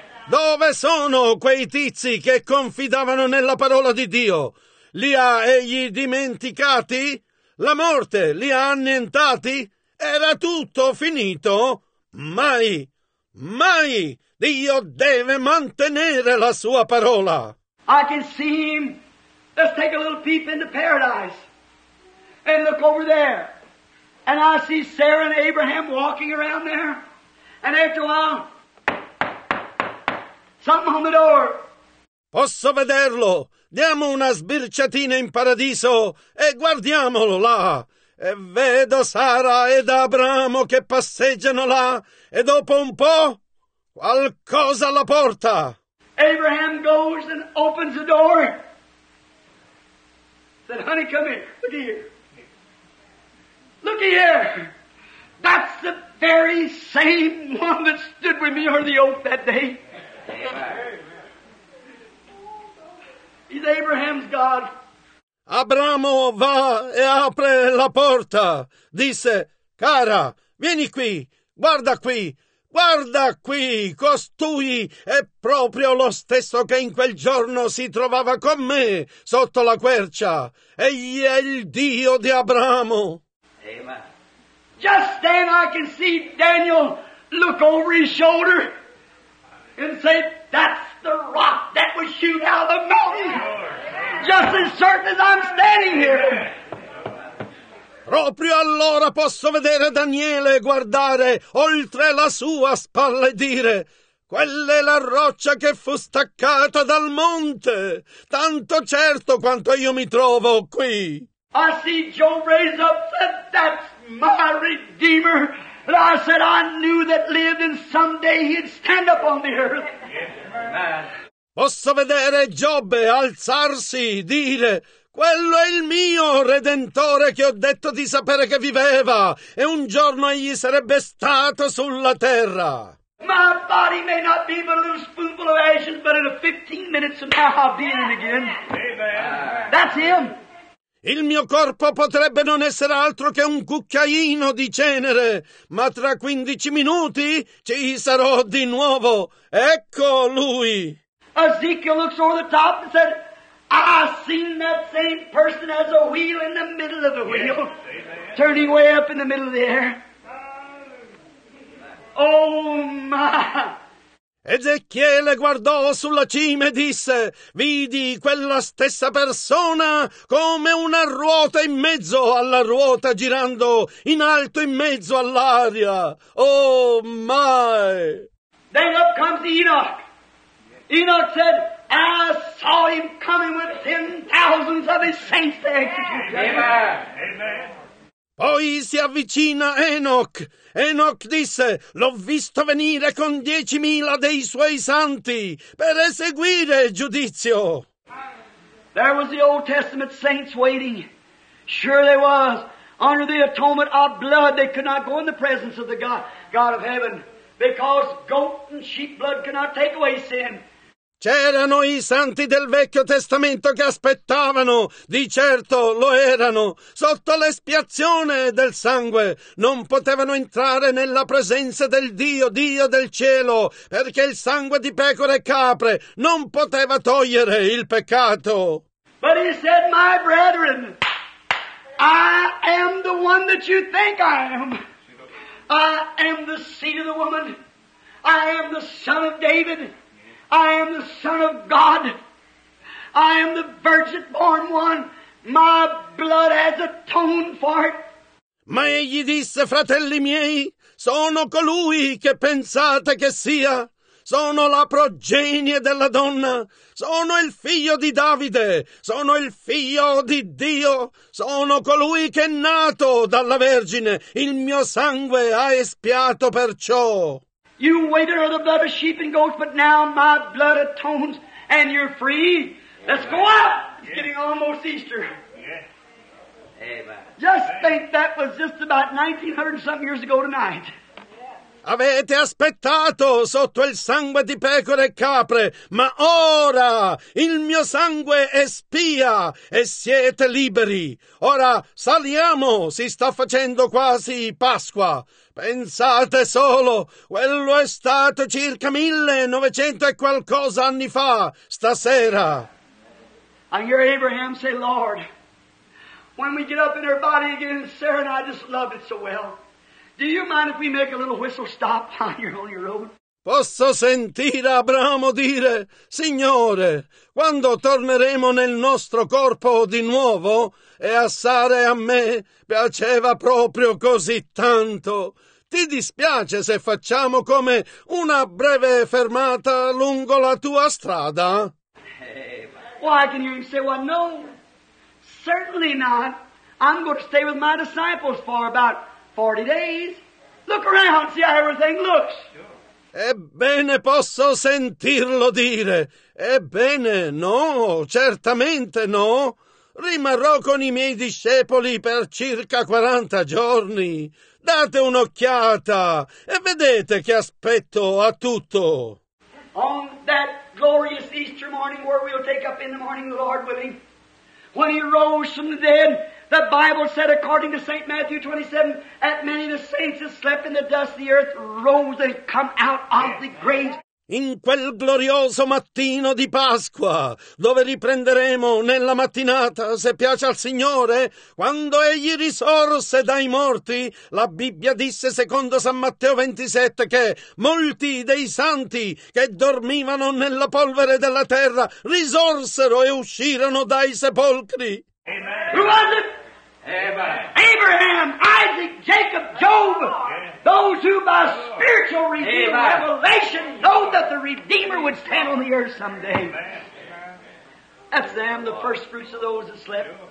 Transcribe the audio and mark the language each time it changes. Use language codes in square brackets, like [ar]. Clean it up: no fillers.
[it] Dove sono quei tizi che confidavano nella parola di Dio? Li ha egli dimenticati? La morte li ha annientati? Era tutto finito? Mai, mai Dio deve mantenere la sua parola. [en] I can see him. Let's take a little peep into paradise. And look over there. And I see Sarah and Abraham walking around there. And after a while, something on the door. [it] Posso vederlo? Diamo una sbirciatina in paradiso e guardiamolo là. E vedo Sara ed Abramo che passeggiano là. E dopo un po', qualcosa alla porta. [en] Abraham goes and opens the door. Said, honey, come here. Look here. Look here. That's the very same one that stood with me under the oak that day. He's Abraham's God. [it] Abramo va e apre la porta. Disse, cara, vieni qui, guarda qui. Guarda qui, costui è proprio lo stesso che in quel giorno si trovava con me sotto la quercia. Egli è il Dio di Abramo. [en] Amen. Just then I can see Daniel look over his shoulder and say, that's the rock that was shoot out of the mountain. Just as certain as I'm standing here. [it] Proprio allora posso vedere Daniele guardare oltre la sua spalla e dire: quella è la roccia che fu staccata dal monte, tanto certo quanto io mi trovo qui. [en] I see Job raise up, said, that's my Redeemer. And I said, I knew that lived and someday he'd stand up on the earth. Yes, [it] posso vedere Giobbe alzarsi, dire: quello è il mio Redentore che ho detto di sapere che viveva e un giorno egli sarebbe stato sulla terra. [en] My body may not be but a little spoonful of ashes, but in 15 minutes from now I'll be in it again. That's him. [it] Il mio corpo potrebbe non essere altro che un cucchiaino di cenere, ma tra 15 minuti ci sarò di nuovo. Ecco lui. [en] Ezekiel looks over the top and said, I've seen that same person as a wheel in the middle of the wheel, yes, turning way up in the middle of the air. Oh, my! [it] Ezechiele guardò sulla cima e disse, vidi quella stessa persona come una ruota in mezzo alla ruota girando in alto in mezzo all'aria. [en] Oh, my! Then up comes Enoch. Enoch said, I saw him coming with 10,000 of his saints to execute him. [it] Poi si avvicina Enoch. Enoch disse, l'ho visto venire con 10,000 dei suoi santi per eseguire il giudizio. [en] There was the Old Testament saints waiting. Sure there was. Under the atonement of blood, they could not go in the presence of the God of heaven because goat and sheep blood cannot take away sin. [it] C'erano i santi del Vecchio Testamento che aspettavano, di certo lo erano, sotto l'espiazione del sangue. Non potevano entrare nella presenza del Dio, Dio del cielo, perché il sangue di pecore e capre non poteva togliere il peccato. [en] But he said, my brethren, I am the one that you think I am. I am the seed of the woman. I am the son of David. I am the Son of God. I am the virgin-born one. My blood has atoned for it. [it] Ma egli disse, fratelli miei, sono colui che pensate che sia. Sono la progenie della donna. Sono il figlio di Davide. Sono il figlio di Dio. Sono colui che è nato dalla Vergine. Il mio sangue ha espiato per ciò. [en] You waited on the blood of sheep and goats, but now my blood atones and you're free. Let's go out. It's getting almost Easter. Amen. Just think that was just about 1900 something years ago tonight. [it] Avete aspettato sotto il sangue di pecore e capre, ma ora il mio sangue espia e siete liberi. Ora saliamo, si sta facendo quasi Pasqua. Pensate solo, quello è stato circa 1900 e qualcosa anni fa, stasera. [en] I hear Abraham say, Lord, when we get up in our body again, Sarah and I just love it so well. Do you mind if we make a little whistle stop on your road? [it] Posso sentire Abramo dire, Signore, quando torneremo nel nostro corpo di nuovo? E a Sara e a me piaceva proprio così tanto. Ti dispiace se facciamo come una breve fermata lungo la tua strada? [en] Well, I can hear him say, well, no, certainly not. I'm going to stay with my disciples for about 40 days. Look around, see how everything looks. [it] Ebbene, posso sentirlo dire. Ebbene, no, certamente no. Rimarrò con i miei discepoli per circa 40 giorni. Date un'occhiata e vedete che aspetto a tutto. [en] On that glorious Easter morning where we'll take up in the morning the Lord with him, when he rose from the dead, the Bible said, according to St. Matthew 27, that many of the saints that slept in the dust of the earth rose and come out of the grave. [it] In quel glorioso mattino di Pasqua, dove riprenderemo nella mattinata, se piace al Signore, quando Egli risorse dai morti, la Bibbia disse secondo San Matteo 27 che molti dei santi che dormivano nella polvere della terra risorsero e uscirono dai sepolcri. [en] Amen. Who was it? Amen. Abraham, Isaac, Jacob, Job, those who by spiritual revelation know that the Redeemer would stand on the earth someday. That's them, the first fruits of those that slept.